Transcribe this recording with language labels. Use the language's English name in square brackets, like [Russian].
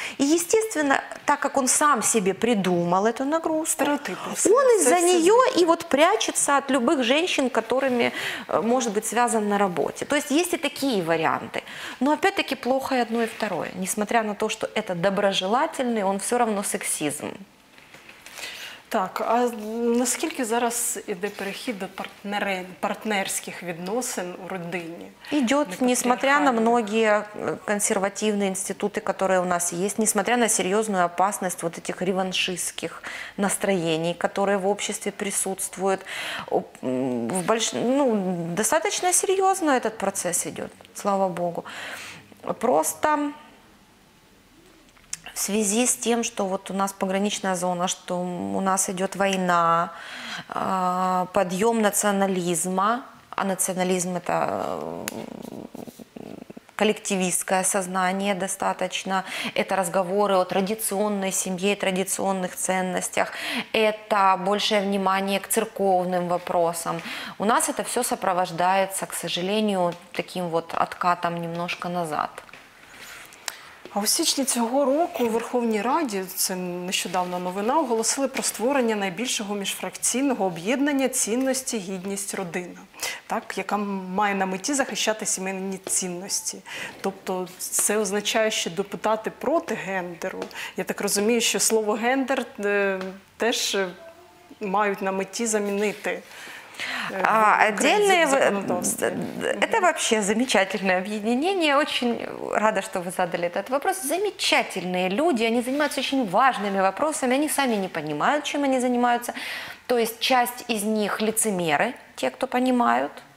[Russian] И, естественно, так как он сам себе придумал эту нагрузку, он из-за нее и вот прячется от любых женщин, которыми может быть связан на работе. То есть есть и такие варианты. Но опять-таки плохо и одно, и второе. Несмотря на то, что это доброжелательный, он все равно сексизм. [Ukrainian] Так, а наскільки зараз іде перехід до партнерських відносин у родині? Іде, [Russian] несмотря на многие консервативные институты, которые у нас есть, несмотря на серьезную опасность вот этих реваншистских настроений, которые в обществе присутствуют, достаточно серьезно этот процесс идет, слава Богу. Просто... В связи с тем, что вот у нас пограничная зона, что у нас идет война, подъем национализма, а национализм – это коллективистское сознание достаточно. Это разговоры о традиционной семье, традиционных ценностях. Это большее внимание к церковным вопросам. У нас это все сопровождается, к сожалению, таким вот откатом немножко назад. [Ukrainian] А у січні цього року у Верховній Раді, це нещодавно новина, оголосили про створення найбільшого міжфракційного об'єднання «Цінності, гідність, родина», так, яка має на меті захищати сімейні цінності. Тобто це означає, що депутати проти гендеру. Я так розумію, що слово «гендер» теж мають на меті замінити. [Russian] А отдельные... Это вообще замечательное объединение. Очень рада, что вы задали этот вопрос. Замечательные люди, они занимаются очень важными вопросами, они сами не понимают, чем они занимаются. То есть часть из них лицемеры, те, кто понимают.